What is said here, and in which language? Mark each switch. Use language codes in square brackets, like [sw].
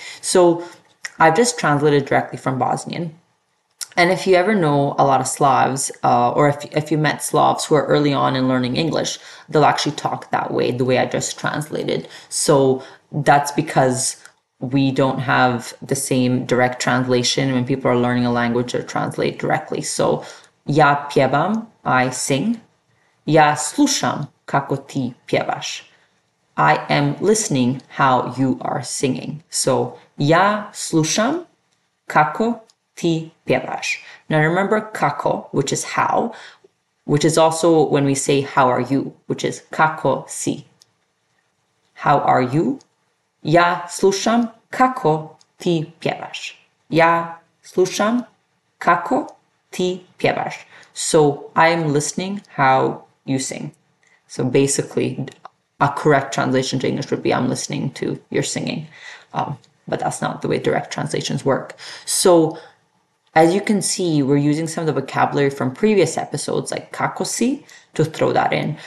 [en] So I've just translated directly from Bosnian. And if you ever know a lot of Slavs, or if you met Slavs who are early on in learning English, they'll actually talk that way, the way I just translated. So that's because we don't have the same direct translation. When people are learning a language, they translate directly. [bs] So ja pjevam, [en] I sing. [bs] Ja slušam, kako ti pjevaš. [en] I am listening how you are singing. So, [bs] ja slušam kako ti pjevaš. [en] Now remember kako, which is how, which is also when we say how are you, which is [bs] kako si. [en] How are you? [bs] Ja slušam kako ti pjevaš. Ja slušam kako ti pjevaš. [en] So, I am listening how you sing. So, basically, a correct translation to English would be I'm listening to your singing. But that's not the way direct translations work. So, as you can see, we're using some of the vocabulary from previous episodes, like [bs] kako si, [en] to throw that in.